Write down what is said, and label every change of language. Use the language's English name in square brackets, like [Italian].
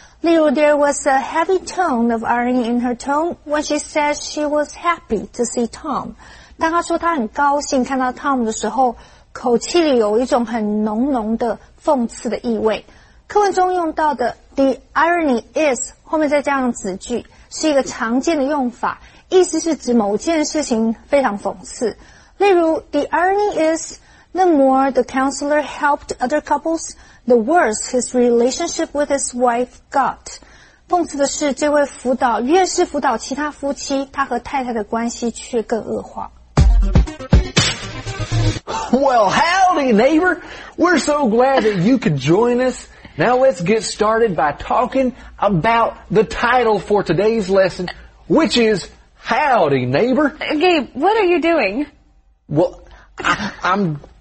[Chinese] 例如 [English] ,there was a heavy tone of irony in her tone when she said she was happy to see Tom. [Chinese] 当她说她很高兴看到 Tom 的时候口气里有一种很浓浓的讽刺的意味。课文中用到的 [English] the irony is, [Chinese] 后面再加上子句。是一个常见的用法，意思是指某件事情非常讽刺。例如 [English] ,the irony is, the more the counselor helped other couples, the worse his relationship with his wife got. [Chinese] 讽刺的是这位辅导越是辅导其他夫妻，他和太太的关系却更恶化。 [English] Well, howdy, neighbor! We're so glad that you could join us. Now let's get started by talking about the title for today's lesson, which is Howdy, Neighbor. Gabe, what are you doing? Well, I'm